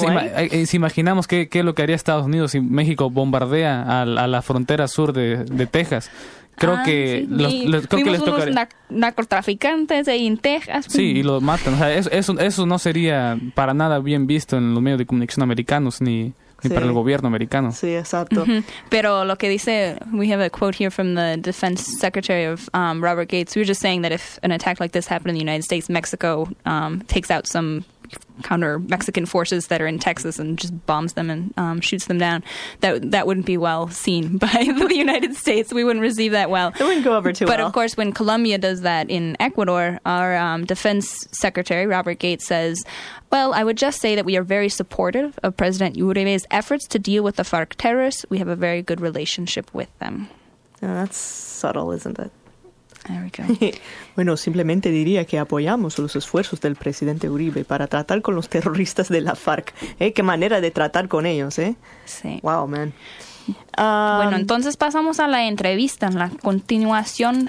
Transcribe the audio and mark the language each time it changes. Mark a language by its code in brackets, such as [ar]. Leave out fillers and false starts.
[es] Nomás, si imaginamos qué es lo que haría Estados Unidos si México bombardea a la frontera sur de Texas. Creo que sí. Les tocaría. Unos narcotraficantes ahí en Texas. Sí, y los matan. O sea, eso no sería para nada bien visto en los medios de comunicación americanos ni para el gobierno americano. Sí, exacto. Mm-hmm. Pero lo que dice, [en] we have a quote here from the defense secretary of Robert Gates. We were just saying that if an attack like this happened in the United States, Mexico takes out some counter Mexican forces that are in Texas and just bombs them and shoots them down, that wouldn't be well seen by the United States. We wouldn't receive that well. It wouldn't go over too well. But of course, when Colombia does that in Ecuador, our defense secretary, Robert Gates, says, well, I would just say that we are very supportive of President Uribe's efforts to deal with the FARC terrorists. We have a very good relationship with them. Yeah, that's subtle, isn't it? There we go. [es] Bueno, simplemente diría que apoyamos los esfuerzos del presidente Uribe para tratar con los terroristas de la FARC. Qué manera de tratar con ellos, ¿eh? Sí. [en] Wow, man. [es] Bueno, entonces pasamos a la entrevista, la continuación.